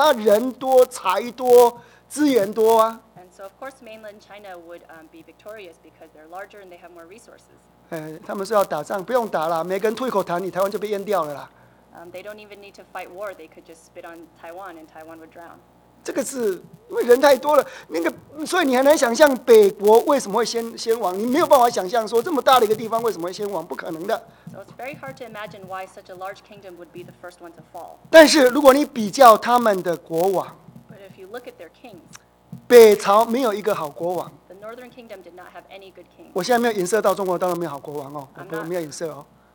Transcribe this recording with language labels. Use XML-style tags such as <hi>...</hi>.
<zh>在我们想象当中，一定是中国大陆强嘛，因为它人多、财多、资源多啊。</zh> <en>And so of course mainland China would be victorious because they're larger and they have more resources.</en> <zh>他们说要打仗，不用打了，每个人吐一口痰，你台湾就被淹掉了啦。</zh> <en>They don't even need to fight war. They could just spit on Taiwan, and Taiwan would drown.</en> <zh>这个是因为人太多了，那个，所以你很难想象北国为什么会先亡。你没有办法想象说这么大的一个地方为什么会先亡，不可能的。</zh> <en>So it's very hard to imagine why such a large kingdom would be the first one to fall.</en> <zh>但是如果你比较他们的国王，But</zh> <en>if you look at their kings,</en> <zh>北朝没有一个好国王。</zh> <en>The northern kingdom did not have any good kings.</en> <zh>我现在没有影射到中国大陆没有好国王哦，我没有影射哦。</zh>